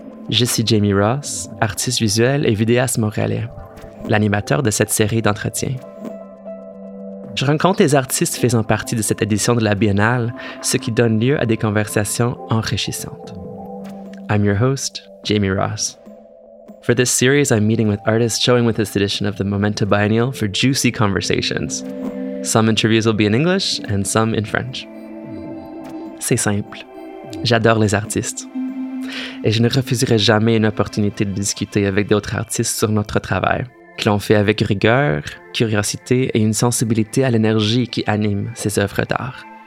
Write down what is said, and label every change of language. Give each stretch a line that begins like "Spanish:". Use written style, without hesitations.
French: Je suis Jamie Ross, artiste visuel et vidéaste montréalais, l'animateur de cette série d'entretiens. Je rencontre les artistes faisant partie de cette édition de la Biennale, ce qui donne lieu à des conversations enrichissantes.
English: I'm your host, Jamie Ross. For this series, I'm meeting with artists showing with this edition of the Momenta Biennial for juicy conversations. Some interviews will be in English and some in French.
French: C'est simple. J'adore les artistes. Et je ne refuserai jamais une opportunité de discuter avec d'autres artistes sur notre travail, que l'on fait avec rigueur, curiosité et une sensibilité à l'énergie qui anime ces œuvres d'art.